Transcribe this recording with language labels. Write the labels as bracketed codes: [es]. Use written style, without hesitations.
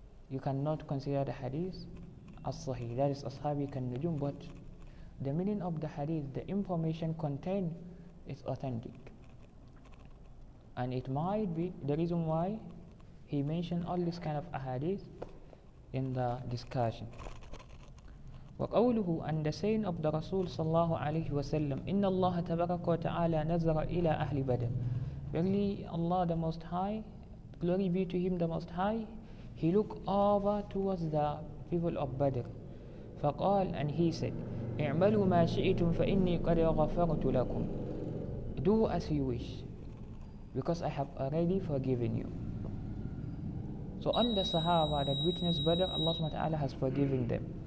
[en] you cannot consider the hadith as sahih, that is ashabi kan nujum, but the meaning of the hadith, the information contained, is authentic. And it might be the reason why he mentioned all this kind of ahadith in the discussion. [ar] وقوله [en] and the saying of the Rasul [ar] صلى الله عليه وسلم إن الله تبارك وتعالى نظر إلى أهل بدر. [en] Verily Allah the Most High, glory be to Him the Most High, He looked over towards the people of Badr. [ar] فقال [en] and He said, [ar] اعملوا ما شئتم فإني قد غفرت لكم. [en] Do as you wish, because I have already forgiven you. So on the Sahaba that witnessed Badr, Allah SWT has forgiven them.